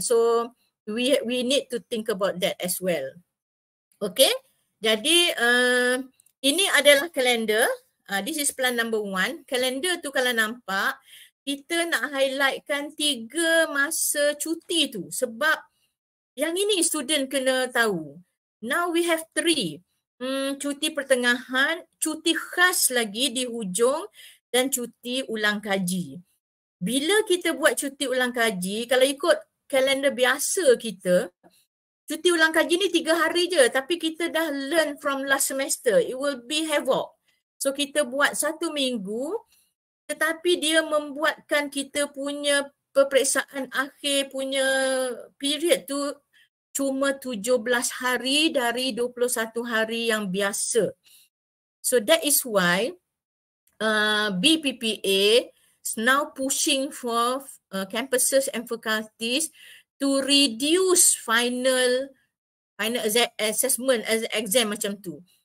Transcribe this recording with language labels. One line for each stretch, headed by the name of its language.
English: So we need to think about that as well.
Malay: Okay, jadi ini adalah kalender.
English: This is plan number one.
Malay: Kalender tu kalau nampak, kita nak highlightkan tiga masa cuti tu. Sebab yang ini student kena tahu.
English: Now we have three.
Malay: Cuti pertengahan, cuti khas lagi di hujung dan cuti ulang kaji. Bila kita buat cuti ulang kaji, kalau ikut kalender biasa kita, cuti ulang kaji ni 3 hari je. Tapi kita dah
English: learn from last semester. It will be havoc.
Malay: So kita buat 1 minggu, tetapi dia membuatkan kita punya peperiksaan akhir punya period tu cuma 17 hari dari 21 hari yang biasa.
English: So that is why BPPA is now pushing for campuses and faculties to reduce final assessment as exam
Malay: macam tu.